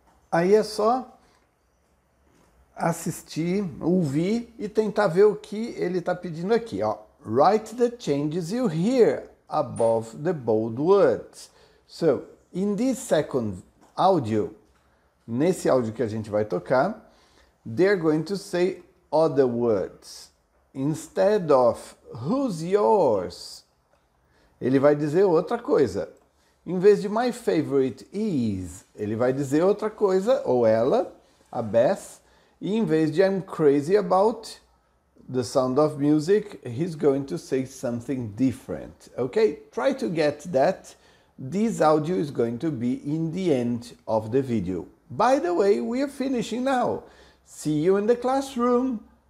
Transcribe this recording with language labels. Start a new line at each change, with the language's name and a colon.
Portuguese: Aí é só assistir, ouvir e tentar ver o que ele está pedindo aqui. Ó.
English: Write the changes you hear above the bold words. So, in this second audio,
Portuguese: nesse áudio que a gente vai tocar,
English: they're going to say other words.
Portuguese: Instead of
English: who's yours,
Portuguese: ele vai dizer outra coisa. Em vez de
English: my favorite is,
Portuguese: ele vai dizer outra coisa, ou ela, a Beth. E em vez de
English: I'm crazy about The Sound of Music, he's going to say something different. Okay, try to get that. This audio is going to be in the end of the video. By the way, we are finishing now. See you in the classroom.